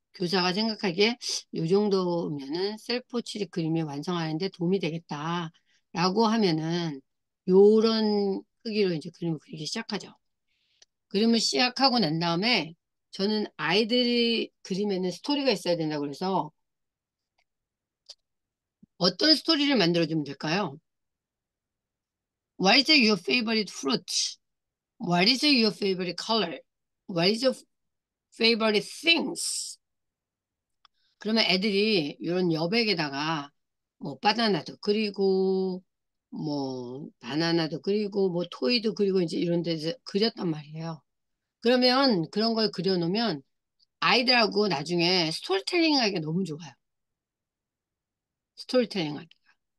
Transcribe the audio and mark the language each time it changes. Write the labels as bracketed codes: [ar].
[ko] 교사가 생각하기에 요 정도면은 셀프포트릿 그림이 완성하는데 도움이 되겠다라고 하면은 요런 크기로 이제 그림을 그리기 시작하죠. 그림을 시작하고 난 다음에 저는 아이들이 그림에는 스토리가 있어야 된다고 그래서 어떤 스토리를 만들어주면 될까요? [en] What is your favorite fruit? What is your favorite color? What is your favorite things? [ko] 그러면 애들이 이런 여백에다가 뭐 바나나도 그리고 뭐 바나나도 그리고 뭐 토이도 그리고 이제 이런 데서 그렸단 말이에요. 그러면 그런 걸 그려놓으면 아이들하고 나중에 스토리텔링 하기가 너무 좋아요. 스토리텔링 하기가.